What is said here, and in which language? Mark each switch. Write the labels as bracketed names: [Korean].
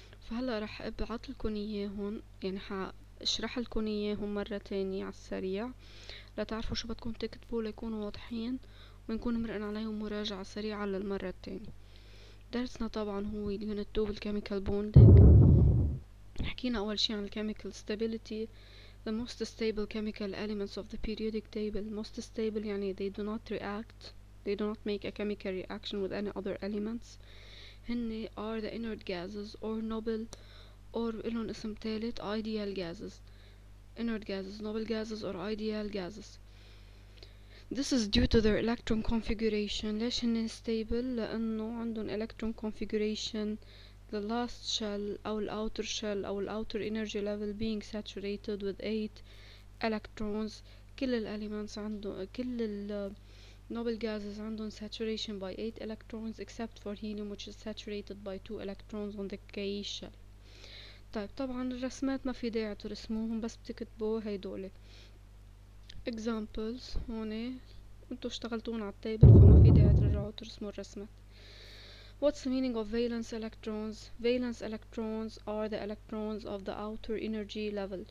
[Arabic] فهلأ رح أبعت لكم إياهم، يعني أشرح لكم إياهم مرة تانية على السريع لتعرفوا شو بدكم تكتبوا ليكونوا واضحين، ونكون مرقن عليهم مراجعة سريعة للمرة التانية. درسنا طبعا هو اليونت 2 بالكيميكال بوندينج. حكينا أول شيء عن الكيميكال ستابيليتي، [English] the most stable chemical elements of the periodic table. most stable يعني they do not react, they do not make a chemical reaction with any other elements. هن are the inert gases or noble or [Arabic] إلهم اسم تالت [English] ideal gases. inert gases, noble gases or ideal gases. This is due to their electron configuration. [Arabic] ليش هن [English] stable؟ [Arabic] لأنه عندهم [English] electron configuration the last shell أو the outer shell أو the outer energy level being saturated with 8 electrons. كل ال elements عندهم، كل ال noble gases عندهم saturation by 8 electrons except for helium which is saturated by 2 electrons on the K shell. [Arabic] طيب طبعا الرسمات ما في داعي ترسموهم، بس بتكتبوا هيدول examples هوني، انتو اشتغلتون على التابل فما في داعي ترجعوا ترسموا الرسمات. [English] What's the meaning of valence electrons? Valence electrons are the electrons of the outer energy level.